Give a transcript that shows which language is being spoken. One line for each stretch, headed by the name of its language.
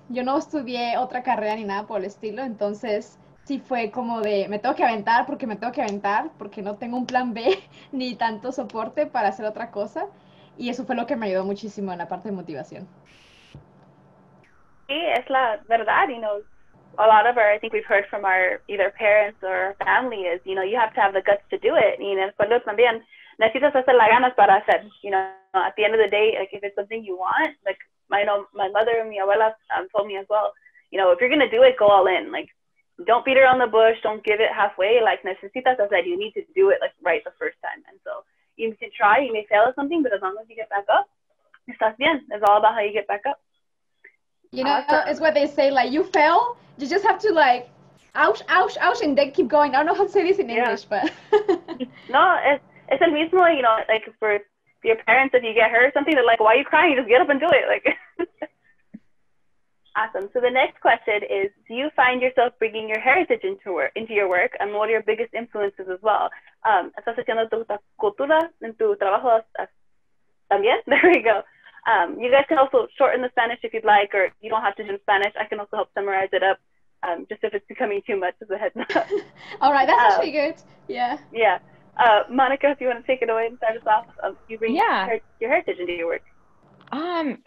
Spanish: Yo no estudié otra carrera ni nada por el estilo. Entonces sí fue como de, me tengo que aventar, porque no tengo un plan B ni tanto soporte para hacer otra cosa. Y eso fue lo que me ayudó muchísimo en la parte de motivación. Sí, es la verdad,
English: you know. A lot of our, I think we've heard from our either parents or family is, you know, you have to have the guts to do it.
Spanish: Y en el fondo también, necesitas hacer las ganas para hacer,
English: you know. At the end of the day, like, if it's something you want, like, my mother and
Spanish: mi abuela
English: told me as well, you know, if you're going to do it, go all in, like, don't beat around the bush. Don't give it halfway. Like,
Spanish: necesitas hacer.
English: You need to do it, like, right the first time. And so you can try. You may fail at something, but as long as you get back up,
Spanish: estás bien.
English: It's all about how you get back up. You know, it's what they say. Like, you fail, you just have to, like, ouch, ouch, ouch, and then keep going. I don't know how to say this in English, but. No, it's
Spanish: el mismo,
English: you know, like, for your parents, if you get hurt or something, they're like, why are you crying? Just get up and do it. Like. Awesome. So the next question is, do you find yourself bringing your heritage into your work? And what are your biggest influences as well?
Spanish: ¿Estás haciendo tu cultura en tu trabajo también?
English: There we go. You guys can also shorten the Spanish if you'd like, or you don't have to do Spanish. I can also help summarize it up, just if it's becoming too much as a heads up. All right, that's actually good. Yeah. Yeah. Monica, if you want to take it away and start us off, you bring your heritage into your work.